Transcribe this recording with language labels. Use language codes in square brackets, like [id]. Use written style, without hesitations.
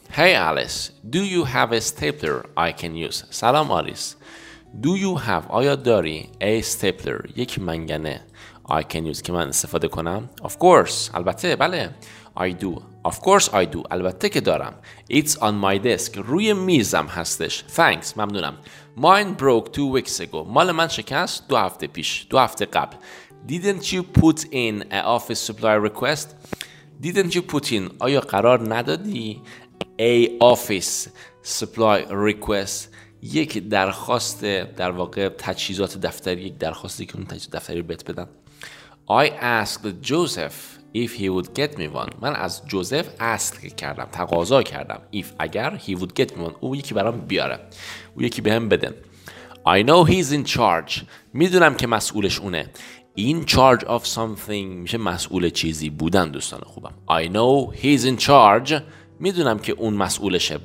[en] Hey Alice, do you have a stapler I can use? [fa] سلام آلیس. [en] Do you have، [fa] آیا داری، [en] a stapler، [fa] یک منگنه، [en] I can use، [fa] که من استفاده کنم؟ [en] Of course، [fa] البته، بله. [en] I do، of course I do، [fa] البته که دارم. [en] It's on my desk، [fa] روی میزم هستش. [en] Thanks، [fa] ممنونم. [en] Mine broke 2 weeks ago، [fa] مال من شکست 2 هفته پیش، 2 هفته قبل. [en] Didn't you put in an office supply request؟ Didn't you put in، [fa] آیا قرار ندادی، [en] a office supply request، [fa] یک درخواست، در واقع تجهیزات دفتری، یک درخواستی که اون تجهیزات دفتری بهت بدن. [en] I asked Joseph if he would get me one. [fa] من از جوزف اصل کردم، تقاضا کردم. [en] If، [fa] اگر، [en] he would get me one، [fa] او یکی برام بیاره، او یکی بهم بده. [en] I know he's in charge، [fa] میدونم که مسئولش اونه. [en] In charge of something [fa] میشه مسئول چیزی بودن دوستان خوبم. [en] I know he's in charge، [fa] میدونم که اون مسئولشه.